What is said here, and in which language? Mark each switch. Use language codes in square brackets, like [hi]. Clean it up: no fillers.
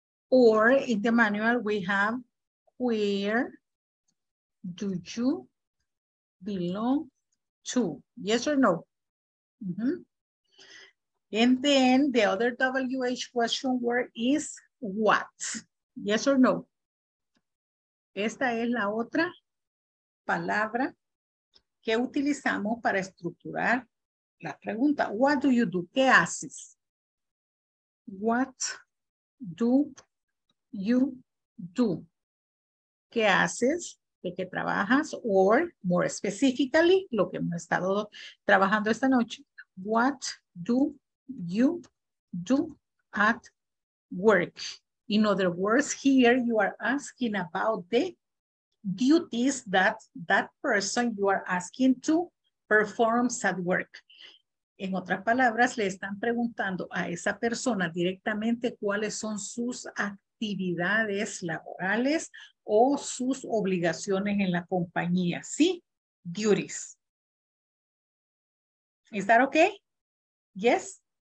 [en] Or in the manual we have, where do you belong to? Yes or no? Mm-hmm. And then the other WH question word is what? Yes or no? [es] Esta es la otra palabra que utilizamos para estructurar la pregunta. [en] What do you do? [es] ¿Qué haces? [en] What do you do? [es] ¿Qué haces? ¿De qué trabajas? [en] Or, more specifically, [es] lo que hemos estado trabajando esta noche. [en] What do you do at work? In other words, here you are asking about the duties that that person you are asking to perform at work. [es] En otras palabras, le están preguntando a esa persona directamente cuáles son sus actividades laborales o sus obligaciones en la compañía. ¿Sí? Duties. ¿Está ok? ¿Yes?